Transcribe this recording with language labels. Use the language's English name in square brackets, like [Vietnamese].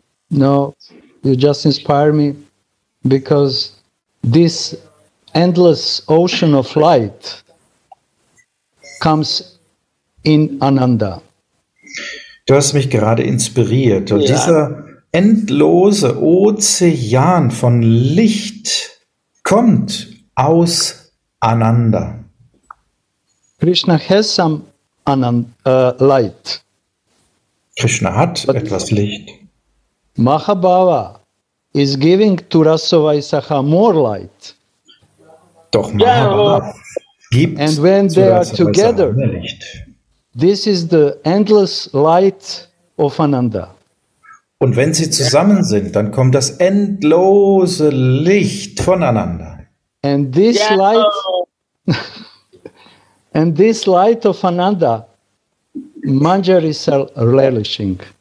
[English] No, you just inspire me because this endless ocean of light comes in Ananda. [German] Du hast mich gerade inspiriert. Und dieser endlose Ozean von Licht kommt aus Ananda. [English] Krishna has some light. [German] Krishna hat [English] But [German] etwas Licht. [English] Mahabhava is giving to Rasavaisakha more light. [German] Doch Mahabhava gibt zu Rasavaisakha mehr Licht. [English] This is the endless light of Ananda. [German] Und wenn sie zusammen sind, dann kommt das endlose Licht voneinander. [English] And this light and this light of Ananda Manjari is relishing.